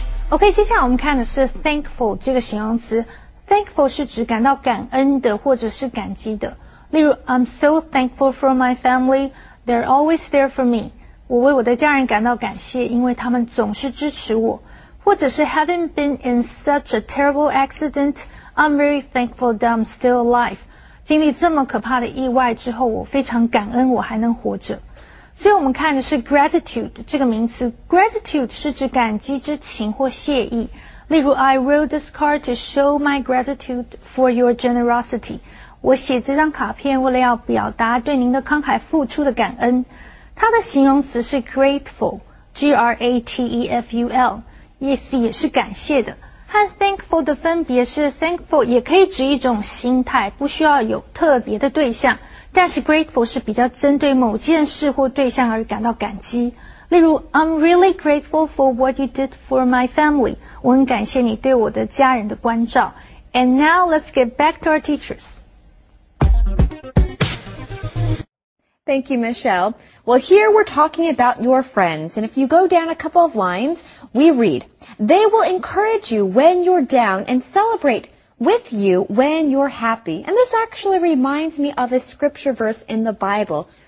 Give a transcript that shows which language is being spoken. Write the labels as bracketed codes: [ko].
[zh] OK, 接下来我们看的是 thankful 这个形容词。Thankful 是指感到感恩的或者是感激的。例如 [en] I'm so thankful for my family. They're always there for me. [zh] 我为我的家人感到感谢，因为他们总是支持我。或者是 [en] having been in such a terrible accident, I'm very thankful that I'm still alive. [zh] 经历这么可怕的意外之后，我非常感恩我还能活着。所以我们看的是 gratitude 这个名词。Gratitude 是指感激之情或谢意。例如 [en] I wrote this card to show my gratitude for your generosity. [zh] 我写这张卡片为了要表达对您的慷慨付出的感恩。它的形容词是 grateful, G-R-A-T-E-F-U-L, 意思也是感谢的。和 thankful 的分别是 thankful 也可以指一种心态，不需要有特别的对象。但是 grateful 是比较针对某件事或对象而感到感激。例如 [en] I'm really grateful for what you did for my family. [zh] 我很感谢你对我的家人的关照。 [en] And now let's get back to our teachers. Thank you, Michelle. Well, here we're talking about your friends. And if you go down a couple of lines, we read, They will encourage you when you're down and celebrate with you when you're happy. And this actually reminds me of a scripture verse in the Bible.